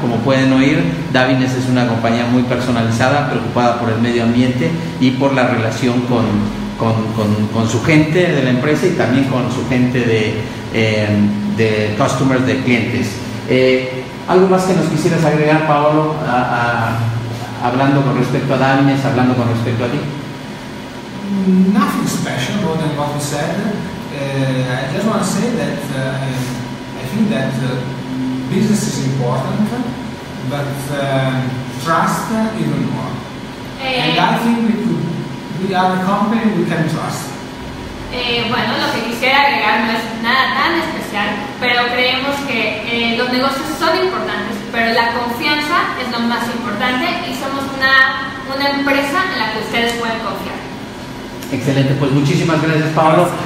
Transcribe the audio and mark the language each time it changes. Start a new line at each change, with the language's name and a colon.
Spanish: Como pueden oír, Davines es una compañía muy personalizada, preocupada por el medio ambiente y por la relación con su gente de la empresa y también con su gente de customers, de clientes. ¿Algo más que nos quisieras agregar, Paolo, hablando con respecto a Davines, hablando con respecto a ti?
English: Nothing special more than what you said. I just want to say that I think that business is important, but trust even more. And I think we could, with our company, we can trust.
Spanish: Bueno, lo que quisiera agregar no es nada tan especial, pero creemos que los negocios son importantes, pero la confianza es lo más importante y somos una empresa en la que ustedes pueden confiar. Excelente, pues muchísimas gracias, Pablo.